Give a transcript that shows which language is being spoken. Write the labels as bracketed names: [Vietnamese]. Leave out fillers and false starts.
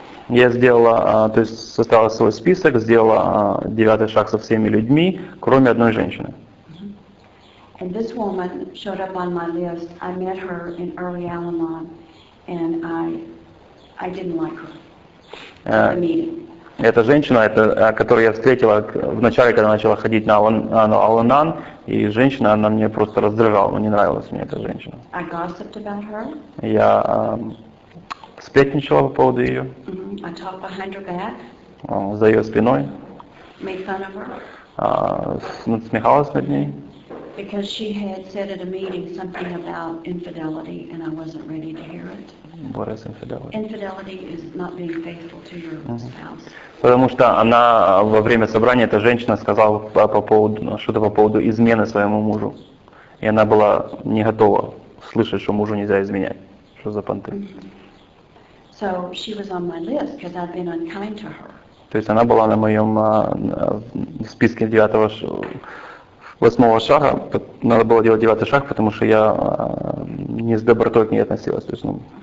[Russian] Я сделала, то есть составила свой список, сделала девятый шаг со всеми людьми, кроме одной женщины. [English] And this woman showed up on my list. I met her in early Al-Anon, and I didn't like her. [Russian] Эта женщина, которую я встретила в начале, когда начала ходить на Al-Anon, и женщина, она мне просто раздражала, не нравилась мне эта женщина. [English] I gossiped about her. [Russian] Я сплетничала по поводу ее. [English] I talked behind her back. [Russian] За ее спиной. [English] Made fun of her. [Russian] Насмехалась над ней. [English] Because she had said at a meeting something about infidelity, and I wasn't ready to hear it. What is infidelity? Infidelity is not being faithful to your spouse. [Russian] Потому что она во время собрания, эта женщина сказала по поводу измены своему мужу, и она была не готова слышать, что мужу нельзя изменять. Что за понты? [English] So she was on my list because I'd been unkind to her. [Russian] То есть она была на моем списке девятого восьмого шага, надо было делать девятый шаг, потому что я не с добротой к ней относилась, то есть, зло.